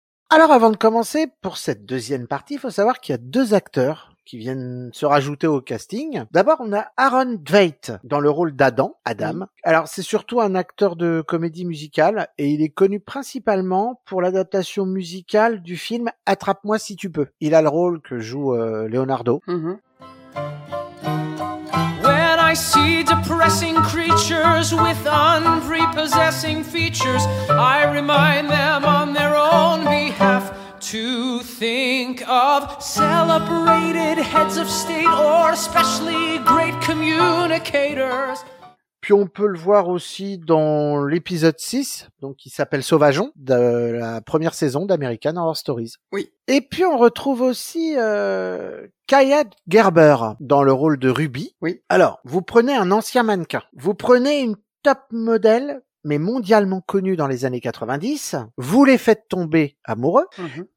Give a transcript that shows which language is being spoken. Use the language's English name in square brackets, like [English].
[French] Alors, avant de commencer, pour cette deuxième partie, il faut savoir qu'il y a deux acteurs qui viennent se rajouter au casting. D'abord, on a Aaron Dwight dans le rôle d'Adam, Alors, c'est surtout un acteur de comédie musicale et il est connu principalement pour l'adaptation musicale du film Attrape-moi si tu peux. Il a le rôle que joue Leonardo. [English] When I see depressing creatures with unprepossessing features, I remind them on their own behalf to think of celebrated heads of state or especially great communicators. [French] Puis on peut le voir aussi dans l'épisode 6, donc qui s'appelle Sauvageon, de la première saison d'American Horror Stories. Oui. Et puis on retrouve aussi Kaya Gerber dans le rôle de Ruby. Oui. Alors, vous prenez un ancien mannequin, vous prenez une top modèle, mais mondialement connue dans les années 90, vous les faites tomber amoureux. Mmh.